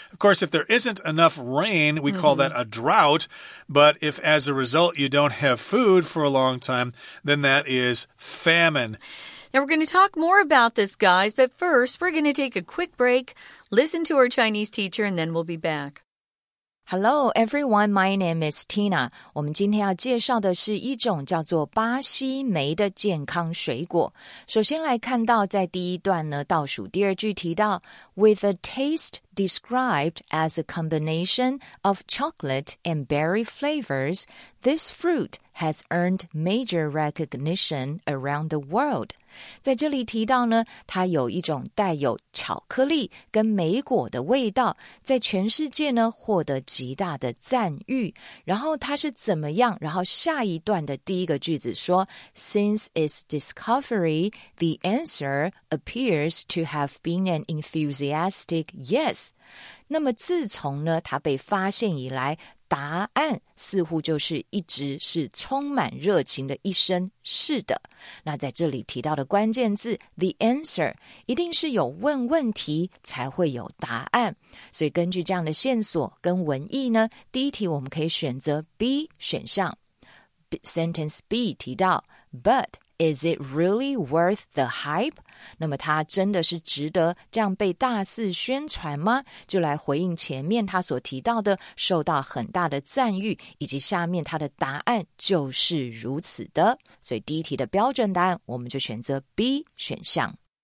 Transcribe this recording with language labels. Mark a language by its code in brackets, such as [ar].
[en] Of course, if there isn't enough rain, we call that a drought. But if as a result you don't have food for a long time, then that is famine. Now we're going to talk more about this, guys. But first, we're going to take a quick break, listen to our Chinese teacher, and then we'll be back. Hello, everyone. My name is Tina. [zh] 我们今天要介绍的是一种叫做巴西莓的健康水果。首先来看到在第一段呢，倒数第二句提到 [en] With a taste described as a combination of chocolate and berry flavors, this fruit has earned major recognition around the world. [zh] 在这里提到呢，它有一种带有巧克力跟莓果的味道，在全世界呢获得极大的赞誉。然后它是怎么样？然后下一段的第一个句子说 [en] Since its discovery, the answer appears to have been an enthusiastic yes. [zh] 那么自从呢它被发现以来，答案似乎就是一直是充满热情的一声是的。那在这里提到的关键字 the answer 一定是有问问题才会有答案，所以根据这样的线索跟文意呢，第一题我们可以选择 B 选项。 [en] Sentence B 提到 But is it really worth the hype? [zh] 那么它真的是值得这样被大肆宣传吗？就来回应前面他所提到的受到很大的赞誉，以及下面他的答案就是如此的。所以第一题的标准答案我们就选择 B 选项。